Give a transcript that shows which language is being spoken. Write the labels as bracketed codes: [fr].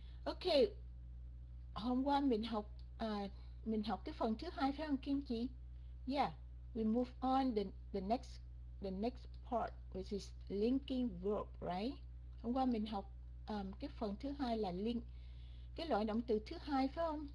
[vi] Okay, hôm qua mình học cái phần thứ hai phải không Kim chị? [en] Yeah, we move on the next part which is linking verb, right? [vi] Hôm qua mình học cái phần thứ hai là link, cái loại động từ thứ hai phải không?